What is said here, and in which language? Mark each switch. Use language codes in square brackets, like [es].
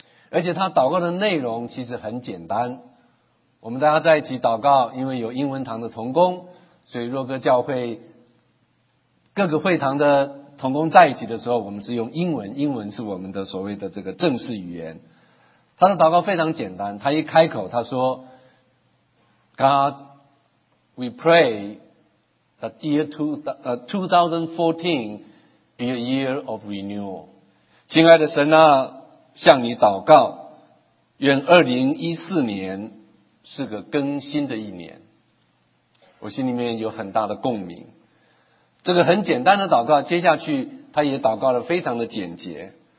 [zh] 而且他祷告的内容其实很简单，我们大家在一起祷告，因为有英文堂的同工，所以若各教会各个会堂的同工在一起的时候，我们是用英文，英文是我们的所谓的这个正式语言。他的祷告非常简单，他一开口他说 [en] God, we pray that year 2014 be a year of renewal. [zh] 亲爱的神啊，向你祷告，愿2014年是个更新的一年。我心里面有很大的共鸣。这个很简单的祷告，接下去他也祷告了非常的简洁。